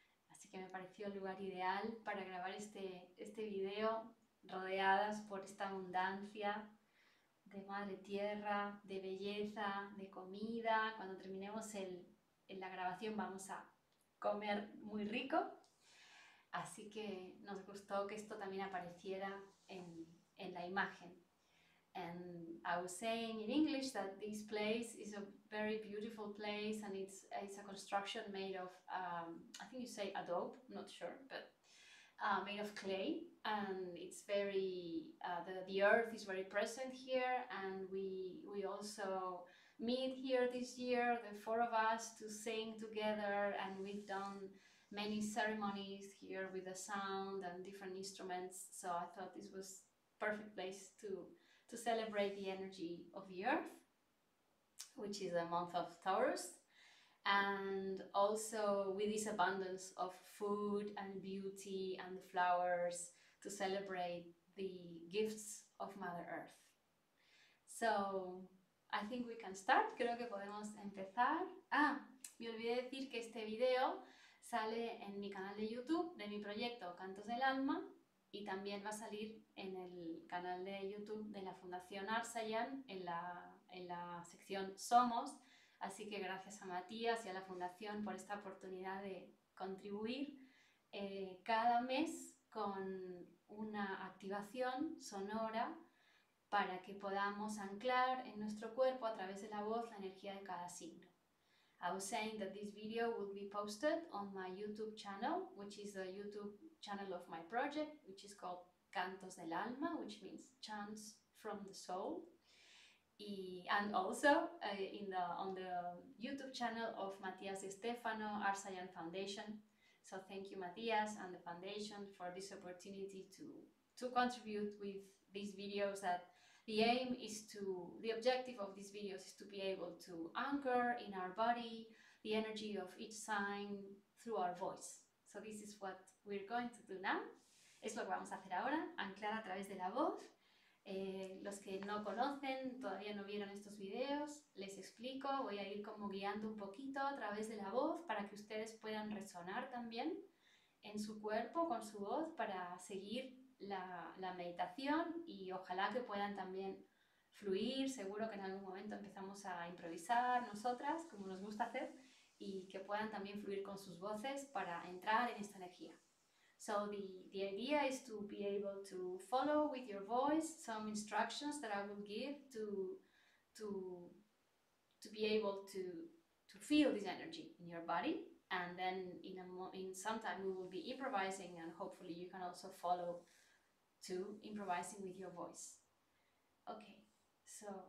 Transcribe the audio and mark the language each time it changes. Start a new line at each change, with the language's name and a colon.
Spanish: Así que me pareció el lugar ideal para grabar este video rodeadas por esta abundancia de madre tierra, de belleza, de comida. Cuando terminemos la grabación vamos a comer muy rico. Así que nos gustó que esto también apareciera en la imagen.
English: And I was saying in English that this place is a very beautiful place and it's a construction made of, I think you say adobe, not sure, but made of clay. And it's very, the earth is very present here. And we also meet here this year, the four of us, to sing together. And we've done many ceremonies here with the sound and different instruments. So I thought this was perfect place to celebrate the energy of the earth, which is the month of Taurus, and also with this abundance of food and beauty and the flowers to celebrate the gifts of Mother Earth. So I think we can start.
Spanish: Creo que podemos empezar. Ah, me olvidé decir que este video sale en mi canal de YouTube de mi proyecto Cantos del Alma. Y también va a salir en el canal de YouTube de la Fundación Arsayan, en la sección Somos. Así que gracias a Matías y a la Fundación por esta oportunidad de contribuir cada mes con una activación sonora para que podamos anclar en nuestro cuerpo a través de la voz la energía de cada signo.
English: I was saying that this video will be posted on my YouTube channel, which is the YouTube channel of my project, which is called Cantos del Alma, which means chants from the soul. And also on the YouTube channel of Matías y Stefano, Arsayan Foundation. So thank you, Matías and the foundation, for this opportunity to contribute with these videos that. The objective of these videos is to be able to anchor in our body the energy of each sign through our voice. So this is what we're going to do now.
Spanish: Es lo que vamos a hacer ahora, anclar a través de la voz. Los que no conocen, todavía no vieron estos videos, les explico. Voy a ir como guiando un poquito a través de la voz para que ustedes puedan resonar también en su cuerpo con su voz para seguir la meditación y ojalá que puedan también fluir. Seguro que en algún momento empezamos a improvisar nosotras, como nos gusta hacer, y que puedan también fluir con sus voces para entrar en esta energía.
English: So the idea is to be able to follow with your voice some instructions that I will give to be able to feel this energy in your body. And then in some time we will be improvising and hopefully you can also follow to improvising with your voice. Okay, so